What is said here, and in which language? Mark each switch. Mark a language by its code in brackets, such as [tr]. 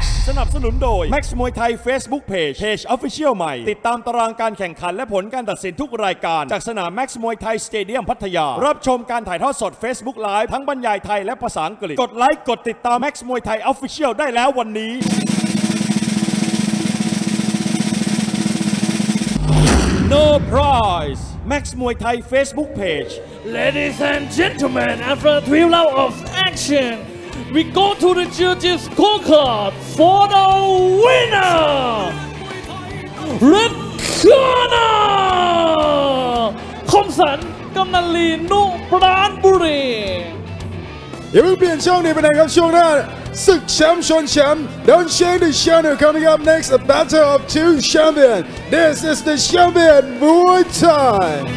[th] สนับสนุนโดย Max มวยไทย Facebook Page Page Official ใหม่ติดตามตารางการแข่งขันและผลการตัดสินทุกรายการจากสนาม Max มวยไทยสเตเดียมพัทยารับชมการถ่ายทอดสด Facebook Live ทั้งบรรยายไทยและภาษาอังกฤษกดไลค์กดติดตาม Max มวยไทย Official ได้แล้ววันนี้ [en] No prizeMax Muay Thai Facebook page. Ladies and gentlemen, after a three round of action, we go to the judges' scorecard for the winner, Red Corner, Khom San, Kamnan Lee, Nu Pran Buri. [th] เดี๋ยวเปลี่ยนช่องนี้ไปนะครับช่วงหน้าศึกแชมป์ชนแชมป์ [en] Don't change the channel coming up next a battle of two champions this is the champion Muay Thai